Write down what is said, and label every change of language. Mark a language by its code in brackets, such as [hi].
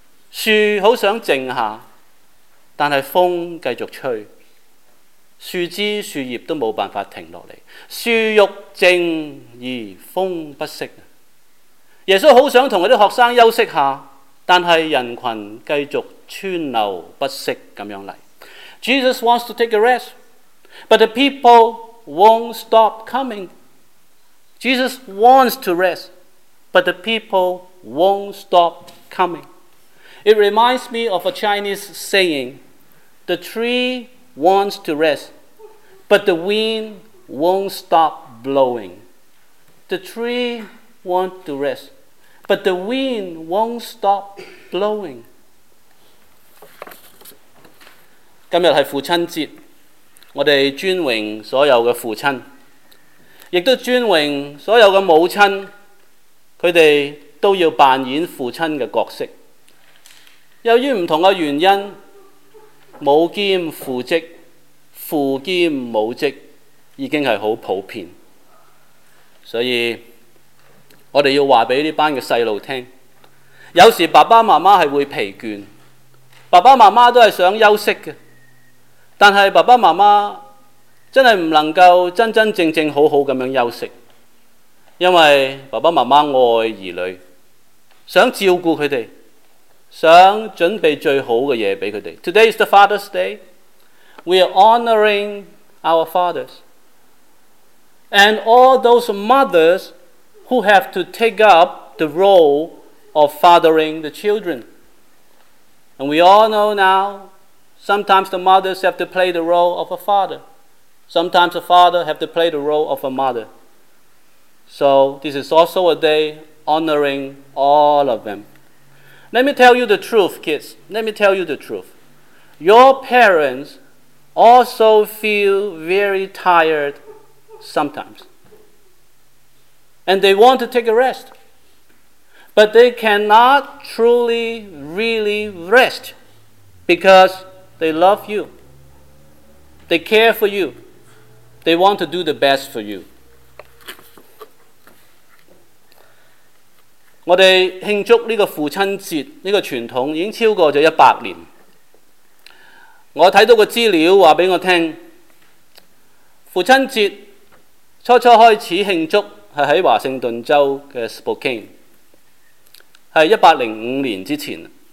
[zh] 树好想静下，但是风继续吹，树枝树叶都没办法停下来。树欲静而风不息。耶稣好想同他的学生休息下，但是人群继续川流不息这样来。 [en] Jesus wants to take a rest, but the people won't stop coming. Jesus wants to rest, but the people won't stop coming. It reminds me of a Chinese saying, the tree wants to rest, but the wind won't stop blowing. The tree wants to rest, but the wind won't stop blowing. [zh] 今日是父亲节，我们尊荣所有的父亲，也都尊荣所有的母亲，他们都要扮演父亲的角色。由于不同的原因，母兼父职、父兼母职已经是很普遍，所以我们要告诉这班的小孩，有时爸爸妈妈是会疲倦，爸爸妈妈都是想休息的，但是爸爸妈妈真的不能够真真正正好好地休息，因为爸爸妈妈爱儿女，想照顾他们，想准备最好的东西给他们。 [en] Today is the Father's Day. We are honoring our fathers. And all those mothers who have to take up the role of fathering the children. And we all know now, sometimes the mothers have to play the role of a father. Sometimes the father have to play the role of a mother. So this is also a day honoring all of them. Let me tell you the truth, kids. Let me tell you the truth. Your parents also feel very tired sometimes. And they want to take a rest. But they cannot truly, really rest because they love you. They care for you. They want to do the best for you. [zh] 我们庆祝这个父亲节这个传统已经超过了100年。我看到个资料告诉我，父亲节初初开始庆祝是在华盛顿州的 Spokane， 是105年之前。